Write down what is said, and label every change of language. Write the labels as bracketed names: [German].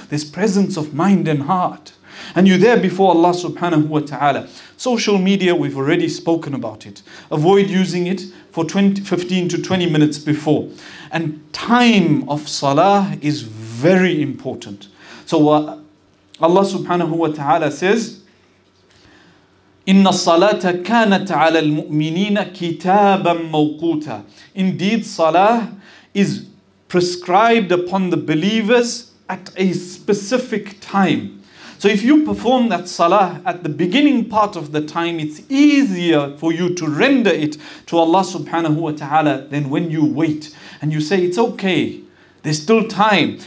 [English] There's presence of mind and heart, and you're there before Allah subhanahu wa ta'ala. Social media, we've already spoken about it. Avoid using it for 15 to 20 minutes before. And time of salah is very important. So Allah subhanahu wa ta'ala says, [Arabic] إِنَّ الصَّلَاةَ كَانَتْ عَلَى الْمُؤْمِنِينَ كِتَابًا مَوْقُوتًا. [English] Indeed, salah is prescribed upon the believers at a specific time. So if you perform that salah at the beginning part of the time, it's easier for you to render it to Allah subhanahu wa ta'ala than when you wait and you say, it's okay, there's still time.